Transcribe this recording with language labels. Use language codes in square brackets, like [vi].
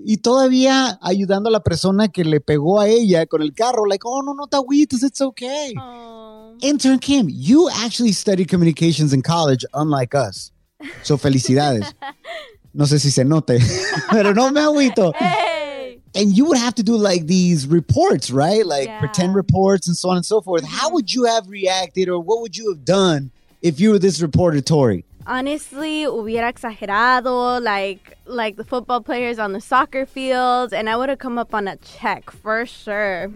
[es] Y todavía ayudando a la persona que le pegó a ella con el carro. [en] Like, oh, [es] no, no, te agüites. [en] It's okay. Aww. Intern Kim, you actually studied communications in college, unlike us. [es] So, felicidades. No sé si se note, pero no me agüito. [en] And you would have to do like these reports, right? Like pretend reports and so on and so forth. How would you have reacted or what would you have done if you were this reporter, Tori? Honestly, [es] hubiera exagerado [en] like the football players on the soccer field, and I would have come up on a check for sure.